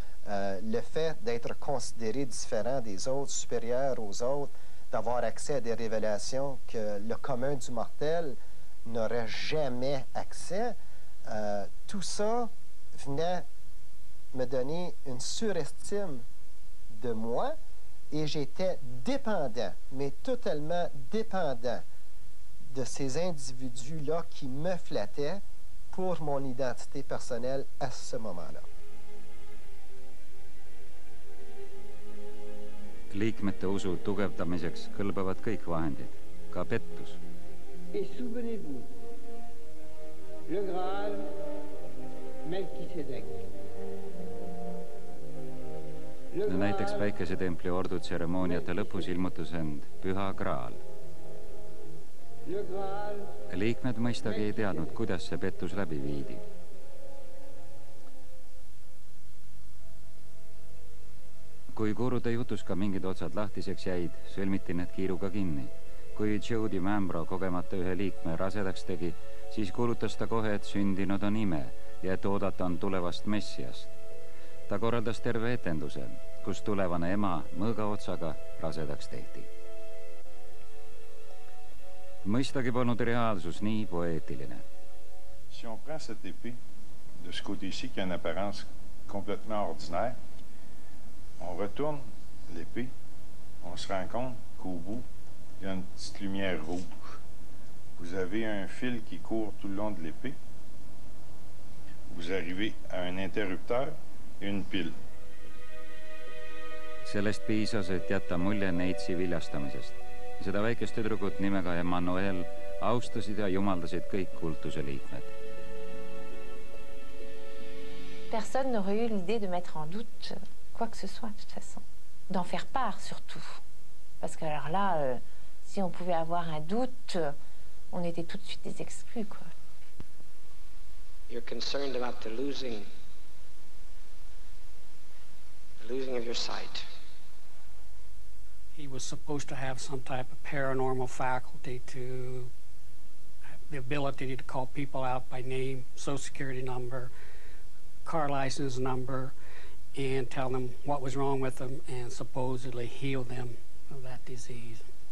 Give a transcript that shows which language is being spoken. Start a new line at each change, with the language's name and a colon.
French: Le fait d'être considéré différent des autres, supérieur aux autres, d'avoir accès à des révélations que le commun du mortel n'aurait jamais accès, tout ça venait me donner une surestime de moi et j'étais dépendant, mais totalement dépendant de ces individus-là qui me flattaient pour mon identité personnelle à ce moment-là.
Estonian: Liikmete usu tugevdamiseks kõlbavad kõik vahendid, ka pettus.
French: Et souvenez-vous, le Graal Melchisedek.
Estonian: Näiteks päikesetempli ordu tseremooniate lõpus ilmutus end püha Graal. Liikmed mõistagi ei teadnud, kuidas see pettus läbi viidi. Kui gurude jutus ka mingid otsad lahtiseks jäid, sõlmiti need kiiruga kinni. Kui Jody Mambro kogemata ühe liikme rasedaks tegi, siis kuulutas ta kohe, et sündinud on ime ja et oodata on tulevast messiast. Ta korraldas terve etenduse, kus tulevane ema mõõga otsaga rasedaks tehti. Mõistagi polnud reaalsus nii poeetiline.
French: Si on prend cette épée de ce côté-ci qui a une apparence complètement ordinaire, on retourne l'épée, on se rend compte qu'au bout, il y a une petite lumière rouge. Vous avez un fil qui court tout le long de l'épée. Vous arrivez à un interrupteur et une pile.
Estonian: Sellest piisas, et jätta mulje neitsi viljastamisest. Seda väikest tüdrukut nimega Emmanuel austasid ja jumaldasid kõik kultuse liikmed.
French: Personne n'aurait eu l'idée de mettre en doute quoi que ce soit, de toute façon. D'en faire part, surtout. Parce que alors là, si on pouvait avoir un doute, on était tout de suite des exclus, quoi.
English: You're concerned about the losing of your sight. He was supposed to have some type of paranormal faculty to the ability to call people out by name, social security number, car license number, and tell them what was wrong with them and supposedly heal them of that disease.